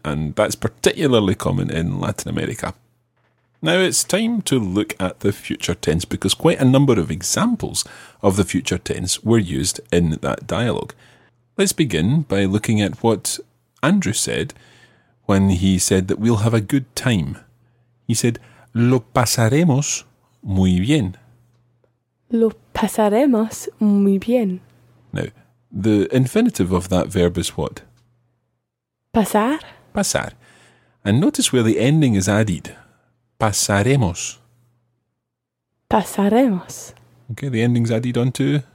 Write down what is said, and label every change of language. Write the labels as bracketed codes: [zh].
[en] And that's particularly common in Latin America. Now it's time to look at the future tense, because quite a number of examples of the future tense were used in that dialogue. Let's begin by looking at what Andrew said when he said that we'll have a good time. He said, [es] lo pasaremos muy bien. Lo pasaremos muy bien. [en] Now, the infinitive of that verb is what? [es] Pasar. Pasar. [en] And notice where the ending is added. [es] Pasaremos. Pasaremos. [en] Okay, the ending's added onto